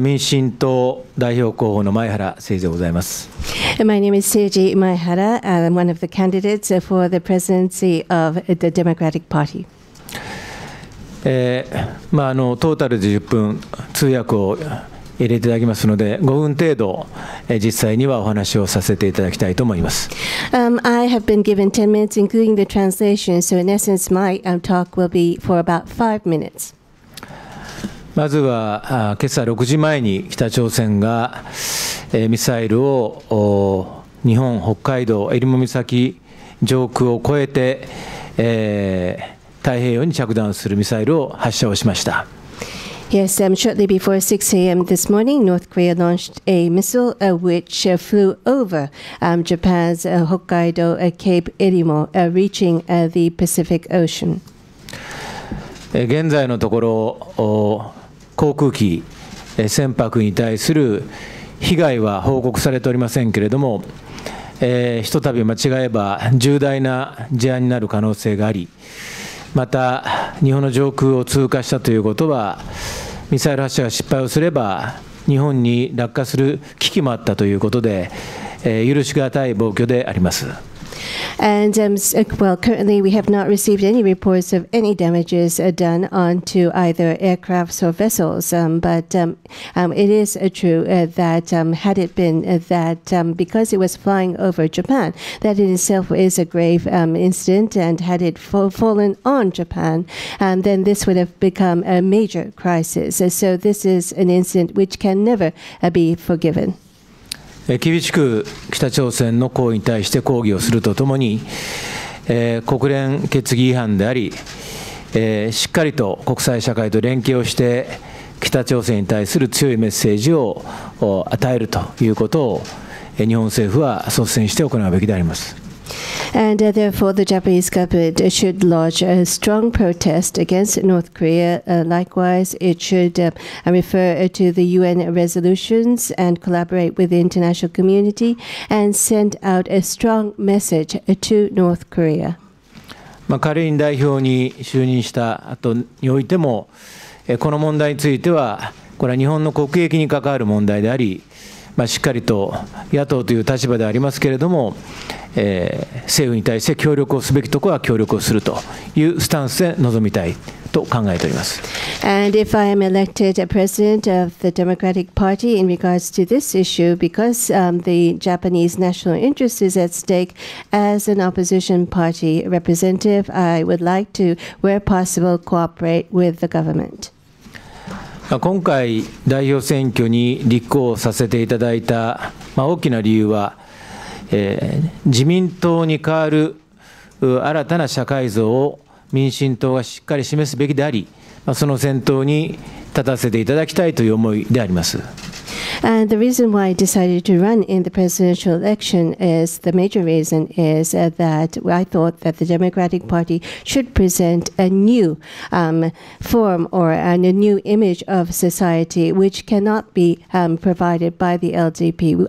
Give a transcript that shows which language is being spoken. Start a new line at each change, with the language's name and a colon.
Japanese: 民進党代表候補の前原誠二でございます。
English: My name is Seiji Maehara. I'm one of the candidates for the presidency of the Democratic Party.
Japanese: トータルで10分通訳を入れていただきますので、5分程度実際にはお話をさせていただきたいと思います。
English: I have been given 10 minutes, including the translation, so in essence, my talk will be for about 5 minutes.
Japanese: まずは、今朝6時前に北朝鮮がミサイルを日本北海道えりも岬上空を越えて、太平洋に着弾するミサイルを発射をしました。
English: Yes, shortly before 6 a.m. this morning, North Korea launched a missile which flew over Japan's Hokkaido Cape Erimo, reaching the Pacific Ocean.
Japanese: 現在のところ、航空機、船舶に対する被害は報告されておりませんけれども、ひとたび間違えば重大な事案になる可能性があり、また日本の上空を通過したということは、ミサイル発射が失敗をすれば日本に落下する危機もあったということで、許しがたい暴挙であります。
English: And well, currently we have not received any reports of any damages done onto either aircrafts or vessels. But it is true that had it been that because it was flying over Japan, that in itself is a grave incident. And had it fallen on Japan, then this would have become a major crisis. So this is an incident which can never be forgiven.
Japanese: 厳しく北朝鮮の行為に対して抗議をするとともに、国連決議違反であり、しっかりと国際社会と連携をして北朝鮮に対する強いメッセージを与えるということを日本政府は率先して行うべきであります。
English: And therefore, the Japanese government should lodge a strong protest against North Korea. Likewise, it should refer to the UN resolutions and collaborate with the international community and send out a strong message to North Korea.
Japanese: まあ、カリン代表に就任した後においてもこの問題については、これは日本の国益に関わる問題であり、まあ、しっかりと野党という立場でありますけれども、政府に対して協力をすべきところは協力をするというスタンスで臨みたいと考えております。
English: And if I am elected president of the Democratic Party in regards to this issue, because the Japanese national interest is at stake, as an opposition party representative, I would like to, where possible, cooperate with the government.
Japanese: 今回代表選挙に立候補させていただいた、まあ、大きな理由は、自民党に代わる新たな社会像を民進党がしっかり示すべきであり、その先頭に立たせていただきたいという思いであります。
English: And the reason why I decided to run in the presidential election is, the major reason is that I thought that the Democratic Party should present a new form or a new image of society which cannot be provided by the LDP.